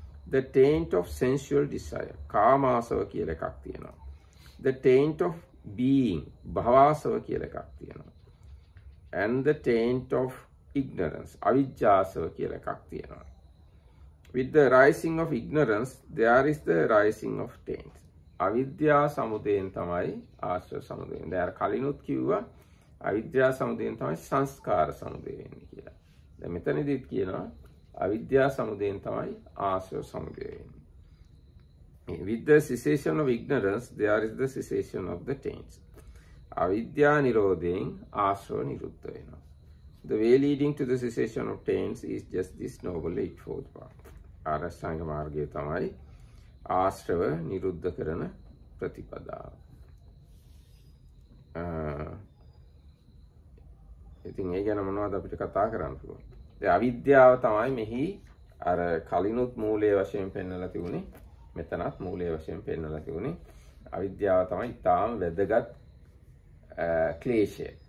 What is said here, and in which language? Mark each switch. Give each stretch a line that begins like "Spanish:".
English: The taint of sensual desire,
Sinhala: කාමාශව කියලා එකක් තියෙනවා.
English: The taint of being,
Sinhala: භවආශව කියලා එකක් තියෙනවා.
English: And the taint of ignorance,
Sinhala: අවිජ්ජාශව කියලා එකක් තියෙනවා.
English: With the rising of ignorance, there is the rising of taint.
Sinhala: අවිද්‍යා සමුදයෙන් තමයි ආශ්‍රව සමුදයෙන්. දැන් කලිනුත් කිව්වා අවිද්‍යා සමුදයෙන් තමයි සංස්කාර සමුදය වෙන්නේ කියලා. දැන් මෙතනදිත් කියනවා අවිද්‍යා සමුදයෙන් තමයි ආශ්‍රව සමුදය වෙන්නේ.
English: With the cessation of ignorance, there is the cessation of the taints.
Sinhala: අවිද්‍යා නිරෝධයෙන් ආශ්‍රව නිරුද්ධ වෙනවා.
English: The way leading to the cessation of taints is just this noble eightfold path.
Sinhala: අරහත්ංග මාර්ගය තමයි ආශ්‍රව නිරුද්ධ කරන ප්‍රතිපදාව. ඉතින් ඒ ගැන මොනවද අපිට කතා කරන්න පුළුවන්? අවිද්‍යාව තමයි මෙහි අර කලිනුත් මූලයේ වශයෙන් පෙන්වලා තිබුණේ, මෙතනත් මූලයේ වශයෙන් පෙන්වලා තිබුණේ. අවිද්‍යාව තමයි ඉතාම වැදගත් ක්ලේශය.